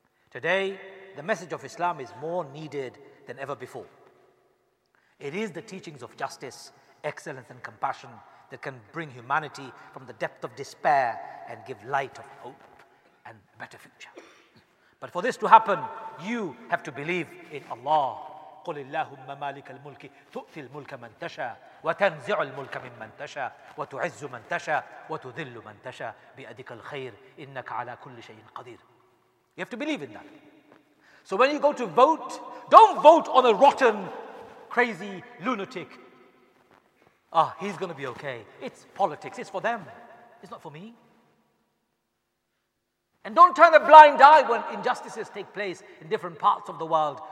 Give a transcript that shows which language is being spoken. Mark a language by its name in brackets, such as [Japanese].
[English] Today, the message of Islam is more needed than ever before. It is the teachings of justice, excellence, and compassion that can bring humanity from the depth of despair and give light of hope and a better future. But for this to happen, you have to believe in Allah. [Arabic] قل اللهم مالك الملك تؤتي الملك من تشاء وتنزع الملك ممن تشاء وتعز من تشاء وتذل من تشاء بأدك الخير إنك على كل شيء قدير. [English] You have to believe in that. So when you go to vote, don't vote on a rotten, crazy lunatic. Ah, he's going to be okay. It's politics. It's for them. It's not for me. And don't turn a blind eye when injustices take place in different parts of the world.